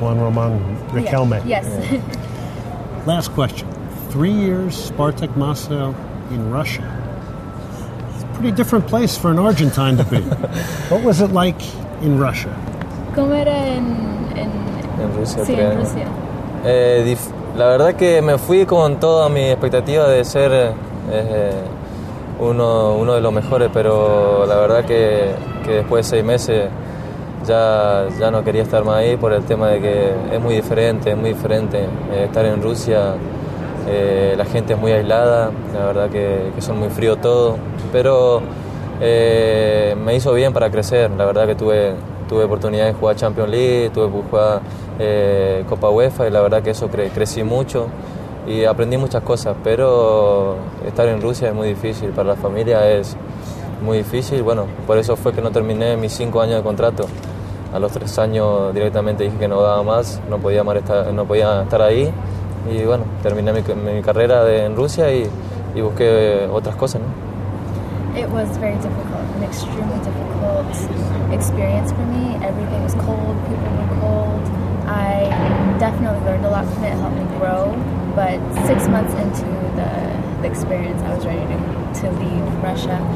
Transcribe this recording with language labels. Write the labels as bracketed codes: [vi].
[es] Juan Román Riquelme. [en] Yes. Last question. 3 years Spartak Moscow in Russia. It's a pretty different place for an Argentine to be. What was it like in Russia? [es] ¿Cómo era en Rusia? Sí, en Rusia. La verdad que me fui con toda mi expectativa de ser uno de los mejores, pero la verdad que después de 6 meses ya no quería estar más ahí por el tema de que es muy diferente estar en Rusia. La gente es muy aislada, la verdad que son muy fríos todos, pero me hizo bien para crecer. La verdad que tuve oportunidad de jugar Champions League, tuve que jugar Copa UEFA, y la verdad que eso crecí mucho y aprendí muchas cosas. Pero estar en Rusia es muy difícil para la familia, es muy difícil. Bueno, por eso fue que no terminé mis 5 años de contrato. A los 3 años directamente dije que no daba más, no podía estar ahí, y bueno, terminé mi carrera en Rusia y busqué otras cosas, ¿no? [en] It was very difficult, an extremely difficult experience for me. Everything was cold, people were cold. I definitely learned a lot from it, helped me grow. But 6 months into the experience, I was ready to leave Russia.